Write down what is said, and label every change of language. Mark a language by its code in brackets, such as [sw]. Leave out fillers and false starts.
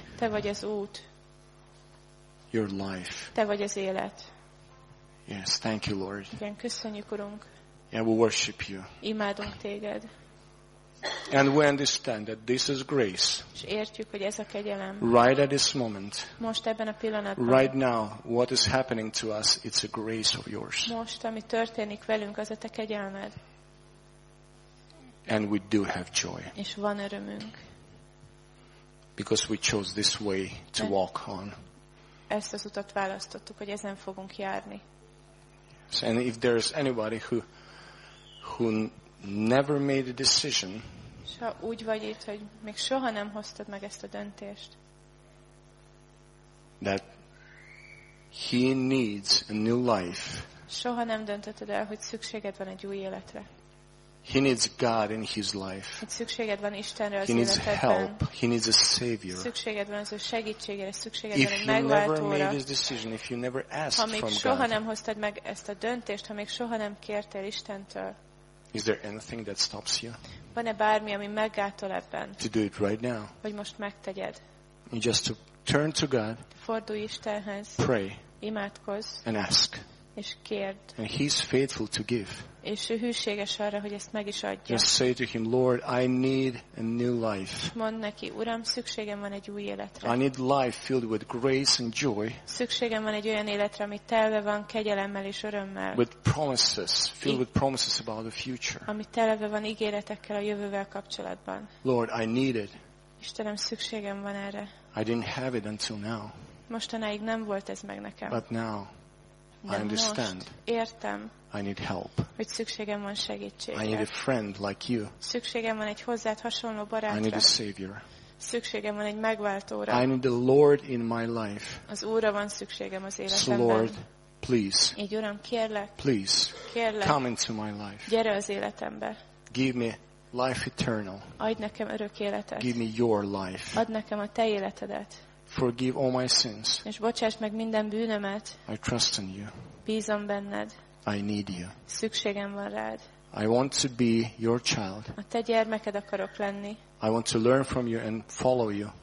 [hu] Te vagy az út. [en] Your life. [hu] Te vagy az élet. [en] Yes, thank you, Lord. [hu] Igen, köszönjük, Urunk. [en] Yeah, we worship you. [hu] Imádunk téged. [en] And we understand that this is grace. [hu] És értjük, hogy ez a kegyelem. [en] Right at this moment. [hu] Most ebben a pillanatban. [en] Right now, what is happening to us, it's a grace of yours. [hu] Most, ami történik velünk, az a te kegyelmed. [en] And we do have joy. [hu] És van örömünk. [en] Because we chose this way to walk on. [hu] Ezt az utat választottuk, hogy ezen fogunk járni. [en] And if there is anybody who never made a decision. [hu] Ha úgy vagy itt, hogy még soha nem hoztad meg ezt a döntést. [en] That he needs a new life. [hu] Soha nem döntötted el, hogy szükséged van egy új életre. [en] He needs God in his life. [hu] Hogy szükséged van Istenre az [en] he needs [hu] életedben. [en] Help. He needs a savior. [hu] Szükséged van az ő segítségére, szükséged [en] if [hu] van egy megváltóra. [en] You never made this decision, if you never asked [hu] ha még [en] from [hu] soha [en] God. [hu] Nem hoztad meg ezt a döntést, ha még soha nem kértél Istentől. [en] Is there anything that stops you? [hu] Van-e bármi, ami meggátol ebben? [en] To do it right now. [hu] Hogy most megtegyed. [en] And just to turn to God. [hu] Fordulj Istenhez. [en] Pray. [hu] Imádkozz. [en] And ask. [hu] és kérd. [en] And he's faithful to give. [hu] És ő hűséges arra, hogy ezt meg is adja. [en] Just say to him, Lord, I need a new life. [hu] Mondd neki, Uram, szükségem van egy új életre. [en] I need life filled with grace and joy. [hu] Szükségem van egy olyan életre, ami telve van kegyelemmel és örömmel. [en] With promises, filled with promises about the future. [hu] Ami telve van ígéretekkel a jövővel kapcsolatban. [en] Lord, I need it. [hu] Istenem, szükségem van erre. [en] I didn't have it until now. [hu] Mostanáig nem volt ez meg nekem. [en] But now, I understand. [hu] Értem. [en] I need help. [hu] Hogy szükségem van segítségre. [en] I need a friend like you. [hu] Szükségem van egy hozzád hasonló barátra. [en] I need a savior. [hu] Szükségem van egy megváltóra. [en] I need the Lord in my life. [hu] Az Úrra van szükségem az életemben. [en] So Lord, please. [hu] Így Uram, kérlek. [en] Please. [hu] Kérlek. [en] Come into my life. [hu] Gyere az életembe. [en] Give me life eternal. [hu] Adj nekem örök életet. [en] Give me your life. [hu] Add nekem a te életedet. [en] Forgive all my sins. [hu] És bocsáss meg minden bűnömet. [en] I trust in you. [hu] Bízom benned. [en] I need you. [hu] Szükségem van rád. [en] I want to be your child. [hu] A te gyermeked akarok lenni. [en] I want to learn from you and follow you.